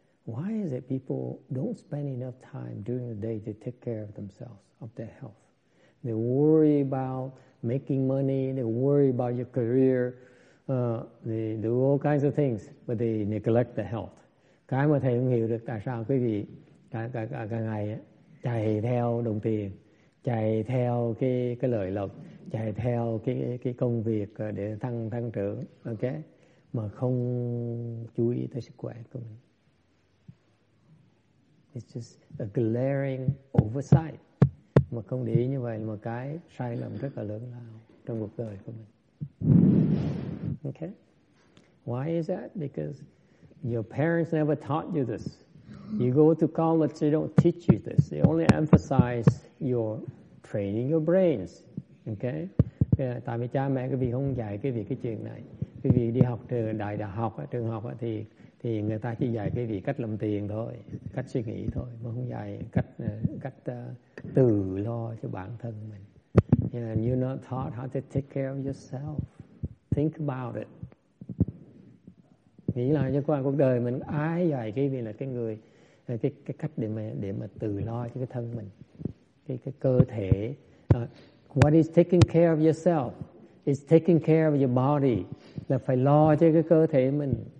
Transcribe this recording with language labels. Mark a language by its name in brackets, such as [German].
[English] why is it people don't spend enough time during the day to take care of themselves, of their health? They worry about making money, they worry about your career, they do all kinds of things, but they neglect the health. [Vietnamese] Cái mà thầy không hiểu được tại sao quý vị cả ngày chạy theo đồng tiền, chạy theo cái lợi lộc, chạy theo cái công việc để thăng trưởng, ok, mà không chú ý tới sức khỏe của mình. [English] It's just a glaring oversight. [Vietnamese] Mà không để ý như vậy là một cái sai lầm rất là lớn lao trong cuộc đời của mình. [English] Okay. Why is that? Because your parents never taught you this. You go to college, they don't teach you this. They only emphasize your training your brains. Okay. [Vietnamese] Tại vì cha mẹ quý vị không dạy quý vị cái chuyện này. Quý vị đi học trường đại học, trường học thì người ta chỉ dạy quý vị cách làm tiền thôi, cách suy nghĩ thôi, mà không dạy cách tự lo cho bản thân mình. [English] And you're not taught how to take care of yourself. Think about it. [Vietnamese] Nghĩ lại cho qua cuộc đời mình, ai dạy quý vị là cái người cái cách để mà tự lo cho cái thân mình, cái cơ thể. [English] What is taking care of yourself? It's taking care of your body. [Vietnamese] Là phải lo cho cái cơ thể mình.